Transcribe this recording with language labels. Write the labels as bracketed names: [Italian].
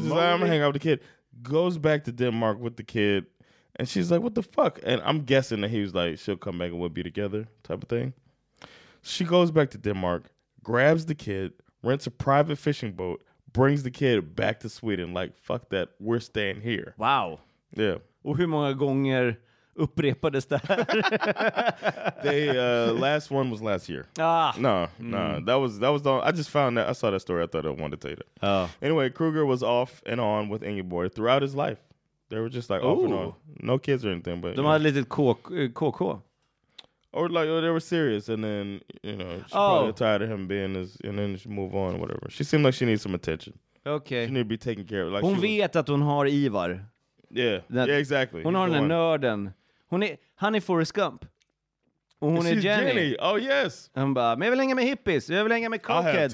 [English] She's like, I'm going to hang out with the kid. Goes back to Denmark with the kid. And she's like, what the fuck? And I'm guessing that he was like, she'll come back and we'll be together type of thing. She goes back to Denmark, grabs the kid, rents a private fishing boat, brings the kid back to Sweden. Like, fuck that. We're staying here. Wow. Yeah. [Swedish] Och hur många gånger upprepades det här? [English] They, last one was last year. Ah. No. That was the, I just found that. I saw that story. I thought I wanted to tell you that. Oh. Anyway, Kreuger was off and on with Ingeborg throughout his life. They were just like, ooh, off and on. No kids or anything. But [Swedish] de hade lite KK. [English] Or like, or they were serious. And then, you know, she's probably tired of him being his. And then she move on, whatever. She seemed like she needs some attention. Okay. She need to be taken care of. [Swedish] Like, hon vet was, att hon har Ivar. [English] Yeah, exactly. [Swedish] Hon har den där nörden. Han är Forrest Gump. Och hon är Jenny. [English] Jenny. Oh, yes. [Swedish] Han bara, men jag vill hänga med hippies. Jag vill hänga med cockheads.